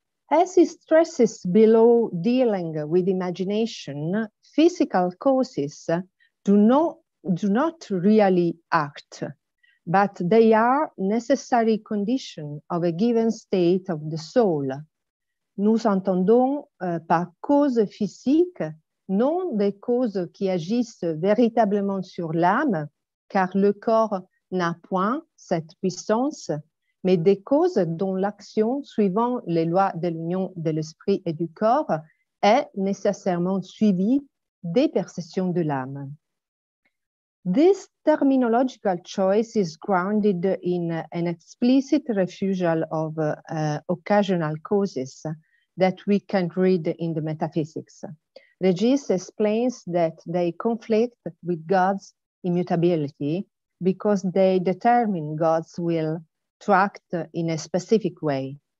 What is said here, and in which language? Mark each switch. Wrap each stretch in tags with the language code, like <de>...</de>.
<en>As he stresses below dealing with imagination, physical causes do not really act, but they are necessary condition of a given state of the soul.</en> <fr>Nous entendons par cause physique non des causes qui agissent véritablement sur l'âme, car le corps n'a point cette puissance, mais des causes dont l'action, suivant les lois de l'union de l'esprit et du corps, est nécessairement suivie des perceptions de l'âme.</fr> <en>This terminological choice is grounded in an explicit refusal of occasional causes that we can read in the metaphysics. Régis explains that they conflict with God's immutability because they determine God's will to act in a specific way.</en>